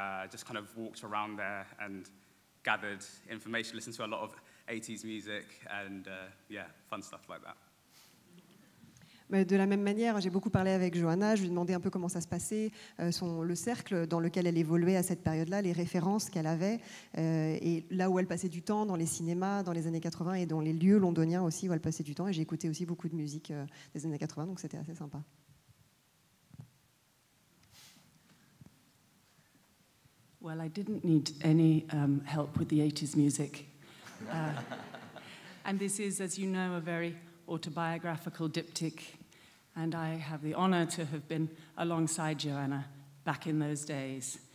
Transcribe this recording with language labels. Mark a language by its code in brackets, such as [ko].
[en] just kind of walked around there and gathered information, listened to a lot of 80s music, and fun stuff like that. [fr] De la même manière, j'ai beaucoup parlé avec Joanna, je lui ai demandé un peu comment ça se passait, le cercle dans lequel elle évoluait à cette période-là, les références qu'elle avait, et là où elle passait du temps, dans les cinémas, dans les années 80, et dans les lieux londoniens aussi où elle passait du temps, et j'ai écouté aussi beaucoup de musique des années 80, donc c'était assez sympa. [en] Well, I didn't need any help with the 80s music. And this is, as you know, a very autobiographical diptych, and I have the honor to have been alongside Joanna back in those days.